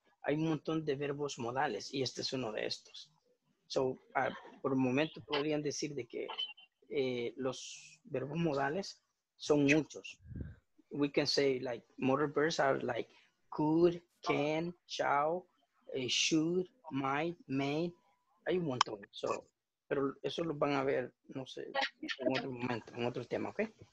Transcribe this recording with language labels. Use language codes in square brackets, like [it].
[es] Hay un montón de verbos modales y este es uno de estos. So, por un momento podrían decir de que los verbos modales son muchos. [en] We can say like modal verbs are like could, can, shall, should, might, may. [es] Hay un montón. So, pero eso lo van a ver, no sé, en otro momento, en otro tema, ¿ok?